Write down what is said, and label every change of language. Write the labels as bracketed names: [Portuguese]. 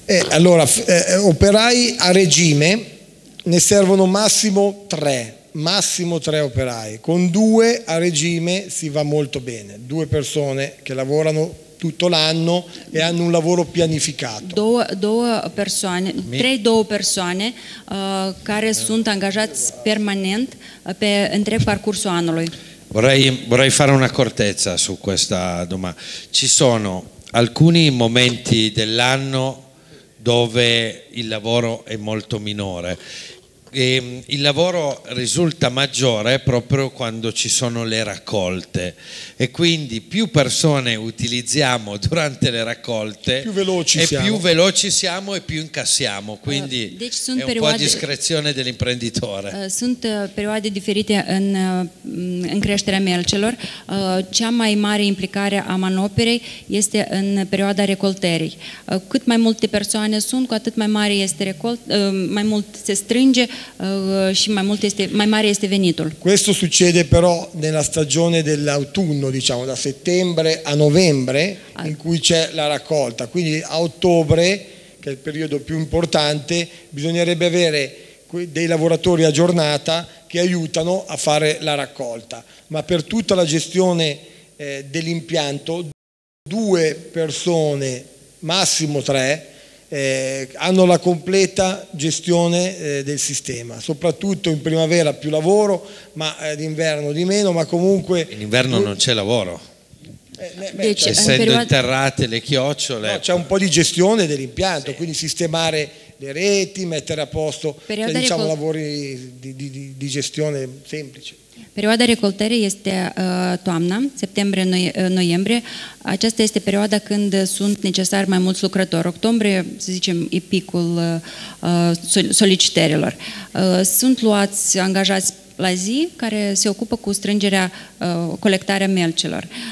[Italian] Allora, operai a regime ne servono massimo 3. massimo 3 operai, con 2 a regime si va molto bene, 2 persone che lavorano tutto l'anno e hanno un lavoro pianificato. [Romanian] Tre persoane care sunt angajați permanent pe întreg parcursul anului. [Italian] Vorrei fare una cortezza su questa domanda. Ci sono alcuni momenti dell'anno dove il lavoro è molto minore. E il lavoro risulta maggiore proprio quando ci sono le raccolte, e quindi più persone utilizziamo durante le raccolte, più veloci e siamo. Più veloci siamo e più incassiamo, quindi [Romanian] deci sunt [Italian] è un perioade, po' a discrezione dell'imprenditore. [Romanian] Sunt perioade diferite în creșterea melcelor. Cea mai mare implicare a manoperei este în perioada recolterii. Cât mai multe persoane sunt, cu atât mai mare este mai mult se strânge și mai mare este venitul. [Italian] Questo succede però nella stagione dell'autunno, diciamo da settembre a novembre, in cui c'è la raccolta. Quindi a ottobre, che è il periodo più importante, bisognerebbe avere dei lavoratori a giornata che aiutano a fare la raccolta. Ma per tutta la gestione dell'impianto, 2 persone, massimo 3, hanno la completa gestione del sistema, soprattutto in primavera più lavoro, ma d'inverno di meno, ma comunque in inverno non c'è lavoro. Essendo interrate le chiocciole, no, c'è un po' di gestione dell'impianto, sì. Quindi sistemare le reti, mettere a posto, cioè, diciamo lavori di gestione semplice. [Romanian] Perioada recoltării este toamna, septembrie, noiembrie. Aceasta este perioada când sunt necesari mai mulți lucrători. Octombrie, să zicem, e picul solicitărilor. Sunt luați angajați la zi care se ocupă cu strângerea, colectarea melcelor.